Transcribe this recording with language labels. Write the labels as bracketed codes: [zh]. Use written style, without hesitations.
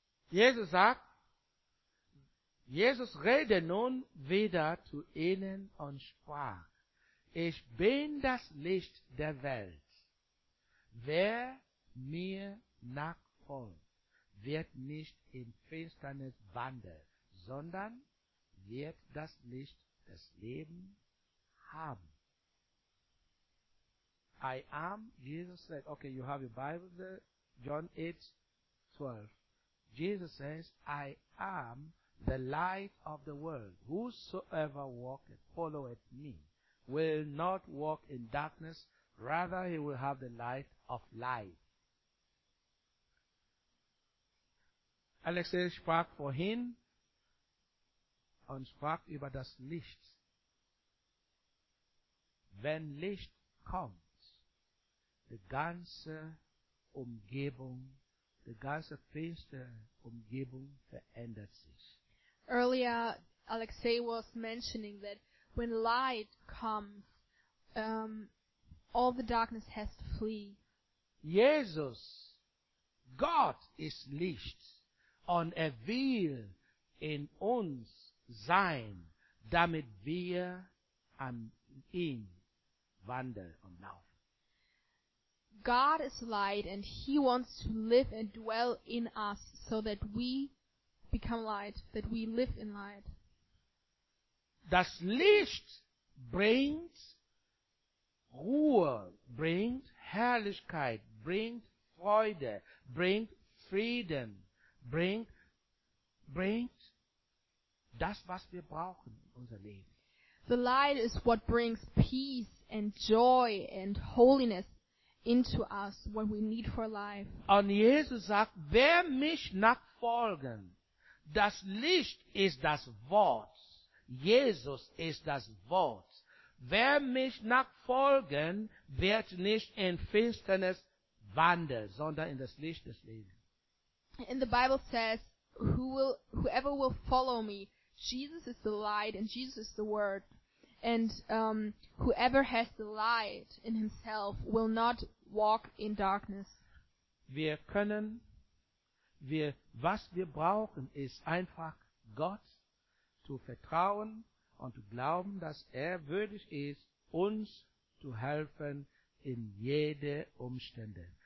[de] Jesus sagt, Jesus rede nun wieder zu ihnen und sprach, ich bin das Licht der Welt. Wer mir nachfolgt, wird nicht im Finsternis wandeln, sondern wird das Licht des Lebens haben. [en] I am, Jesus said, okay, you have your Bible there, John 8, 12. Jesus says, I am the light of the world. Whosoever walketh, followeth me, will not walk in darkness, rather he will have the light of life. [de] Alexei sprach vorhin und sprach über das Licht. Wenn Licht kommt, die ganze Umgebung, die ganze finstere Umgebung verändert sich. [en] Earlier, Alexei was mentioning that when light comes, all the darkness has to flee. [de] Jesus, Gott ist Licht, und er will in uns sein, damit wir an ihm wandeln und laufen. [en] God is light and he wants to live and dwell in us so that we become light, that we live in light. [de] Das Licht bringt Ruhe, bringt Herrlichkeit, bringt Freude, bringt Frieden, bringt das, was wir brauchen in unser Leben. [en] The light is what brings peace and joy and holiness into us, what we need for life. [de] Und Jesus sagt, wer mich nachfolgen, das Licht ist das Wort. Jesus ist das Wort. Wer mich nachfolgen, wird nicht in Finsternis wandeln, sondern in das Licht des Lebens. [en] And the Bible says, whoever will follow me, Jesus is the light and Jesus is the word. And whoever has the light in himself will not walk in darkness. [de] Wir können, was wir brauchen, ist einfach Gott zu vertrauen und zu glauben, dass würdig ist, uns zu helfen in jede Umstände.